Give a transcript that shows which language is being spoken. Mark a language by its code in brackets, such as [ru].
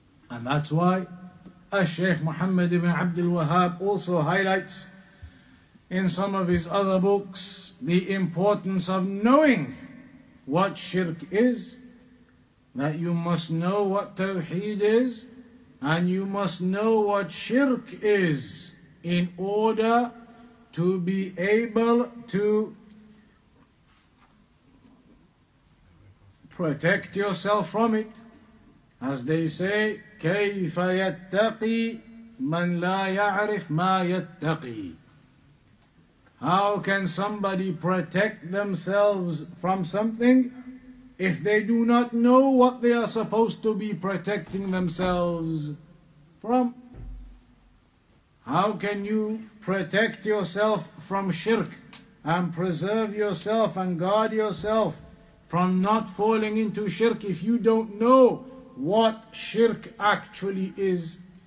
[en] And that's why Sheikh Muhammad ibn Abdul Wahhab also highlights in some of his other books the importance of knowing what shirk is, that you must know what tawheed is and you must know what shirk is in order to be able to protect yourself from it. As they say, [ar] كيف يتقي من لا يعرف ما يتقي. [en] How can somebody protect themselves from something if they do not know what they are supposed to be protecting themselves from? How can you protect yourself from shirk and preserve yourself and guard yourself from not falling into shirk if you don't know what shirk actually is?